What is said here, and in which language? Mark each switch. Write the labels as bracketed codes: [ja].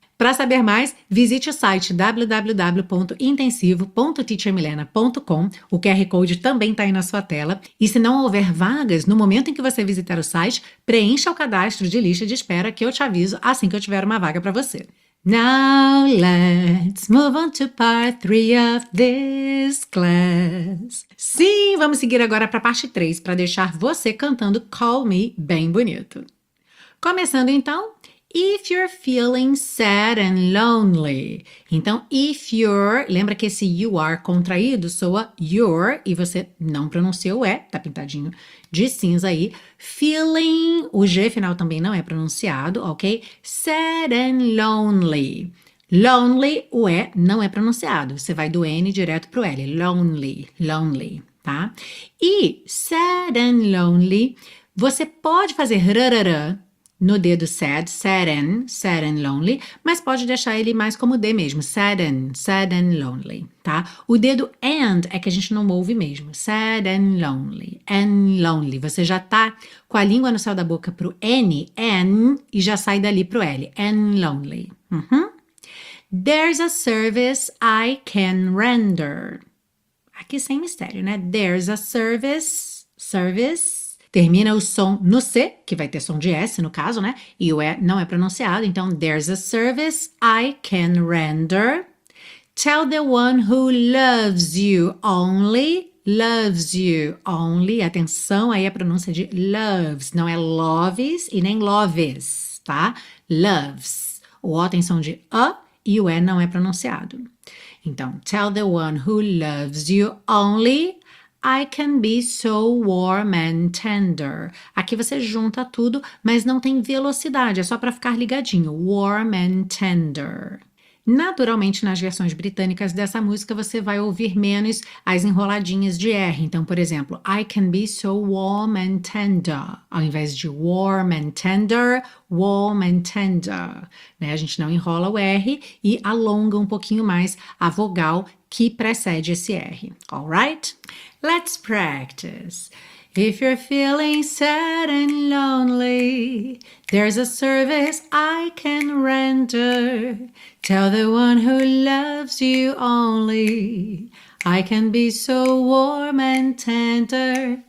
[pt] Para saber mais, visite o site www.intensivo.teachermilena.com. O QR Code também está aí na sua tela. E se não houver vagas, no momento em que você visitar o site, preencha o cadastro de lista de espera que eu te aviso assim que eu tiver uma vaga para você. [en] Now let's move on to part 3 of this class. [pt] Sim, vamos seguir agora para a parte 3 para deixar você cantando Call Me bem bonito. Começando então, [en] if you're feeling sad and lonely. [pt] Então, [en] if you're, [pt] lembra que esse you are contraído soa your e você não pronunciou o E, tá pintadinho de cinza aí. Feeling, o G final também não é pronunciado, ok? [en] Sad and lonely. Lonely, [pt] o E não é pronunciado. Você vai do N direto pro L. [en] Lonely, lonely, [pt] tá? E [en] sad and lonely, [pt] você pode fazer rarara no dedo [en] sad, sad and lonely, [pt] mas pode deixar ele mais como D mesmo, [en] sad and lonely, [pt] tá? O dedo and é que a gente não ouve mesmo, [en] sad and lonely, [pt] você já tá com a língua no céu da boca pro N, and, e já sai dali pro L, [en] and lonely. There's a service I can render. [pt] Aqui sem mistério, né? [en] There's a service. [pt] Termina o som no C, que vai ter som de S no caso, né? E o E não é pronunciado. Então, [en] there's a service I can render. Tell the one who loves you only. Loves you only. [pt] Atenção aí à pronúncia de loves. Não é loves e nem loves, tá? Loves. O O tem som de A e o E não é pronunciado. Então, [en] tell the one who loves you only. I can be so warm and tender. [pt] Aqui você junta tudo, mas não tem velocidade, é só para ficar ligadinho. [en] Warm and tender. [pt] Naturalmente, nas versões britânicas dessa música, você vai ouvir menos as enroladinhas de R. Então, por exemplo, [en] I can be so warm and tender. [pt] Ao invés de [en] warm and tender, warm and tender. [pt] Né? A gente não enrola o R e alonga um pouquinho mais a vogal que precede esse R. [en] Alright? Let's practice. If you're feeling sad and lonely, there's a service I can render. Tell the one who loves you only. I can be so warm and tender.